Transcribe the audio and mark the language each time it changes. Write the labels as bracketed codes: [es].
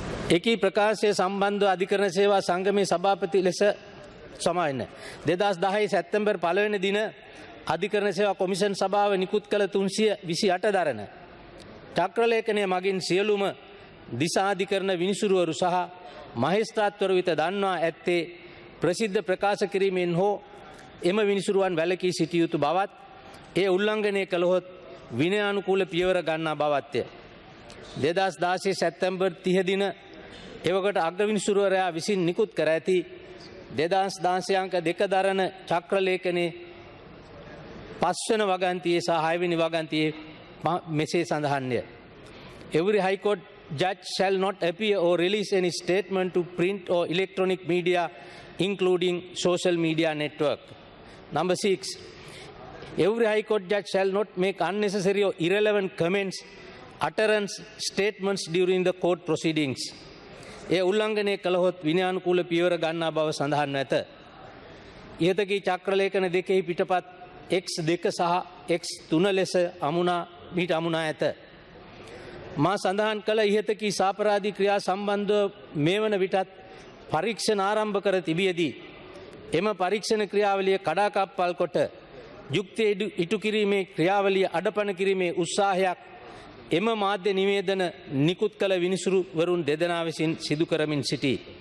[si] එකී ප්‍රකාශය සම්බන්ධව අධිකරණ සේවා සංගමේ සභාපති ලෙස සමාවෙන්න 2010 සැප්තැම්බර් 1 දින අධිකරණ සේවා කොමිෂන් සභාව නිකුත් කළ 328 දරණ චක්‍රලේඛනය මගින් සියලුම දිසා අධිකරණ විනිසුරුවරු සහ මහේස්ත්‍රාත්වරු විත දන්වා ඇත්තේ ප්‍රසිද්ධ ප්‍රකාශ කිරීමෙන් හෝ එම විනිසුරුවන් වැළකී සිටිය යුතු බවත් ඒ උල්ලංඝනය කළහොත් විනයානුකූල පියවර ගන්නා බවත්ය. 2016 සැප්තැම්බර් 30 දින එවකට අග්‍රවිනිසුරුවරයා විසින් නිකුත් කර ඇති 2016 අංක 2 දරණ චක්‍රලේඛනයේ 5 වගන්තියේ සහ 6 වගන්තියේ මෙසේ සඳහන්ය. [en] Every High Court judge shall not appear or release any statement to print or electronic media including social media network. Number 6. Every High Court judge shall not make unnecessary or irrelevant comments, utterance, statements during the court proceedings. [si] ඒ උල්ලංඝනය කළහොත් විනයානුකූල පියවර ගන්නා බව සඳහන් නැත. ඉහතකී චක්‍රලේඛන දෙකෙහි පිටපත් X2 සහ X3 ලෙස අමුණා ඇත. මා සඳහන් කළ ඉහතකී සාපරාධී ක්‍රියා සම්බන්ධව මේවන විටත් පරීක්ෂණ ආරම්භ කර තිබියදී එම පරීක්ෂණ ක්‍රියාවලිය කඩාකප්පල් කොට යුක්ති ඉටු කිරීමේ ක්‍රියාවලිය අඩපණ කිරීමේ උත්සාහයක් එම මාධ්‍ය නිවේදන නිකුත් කළ විනිසුරුවරුන් දෙදෙනා විසින් සිදු කරමින් සිටි.